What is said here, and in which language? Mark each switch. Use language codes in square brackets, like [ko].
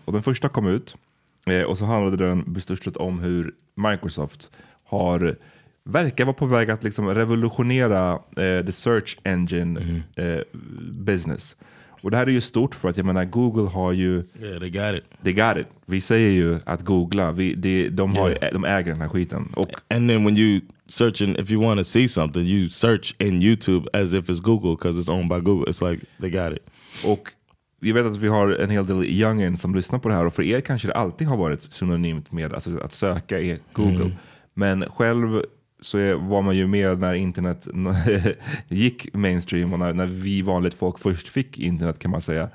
[sv] Och den första kom ut. Och så handlade den bestämt om hur Microsoft har... Verkar vara på väg att liksom revolutionera [en] the search engine business. [sv] Och det här är ju stort för att, jag menar, Google har ju... [en] Yeah, they got it. They got it. [sv] Vi säger ju att googla, de äger den här skiten. Och, [en] and then when you search, and if you want to see something, you search in YouTube as if it's Google, because it's owned by Google. It's like, they got it. [sv] Och vi vet att vi har en hel del youngins som lyssnar på det här, och för er kanske det alltid har varit synonymt med, alltså, att söka i Google. Mm. Men själv så var man ju med när internet gick mainstream, och när vi vanligt folk först fick internet, kan man säga.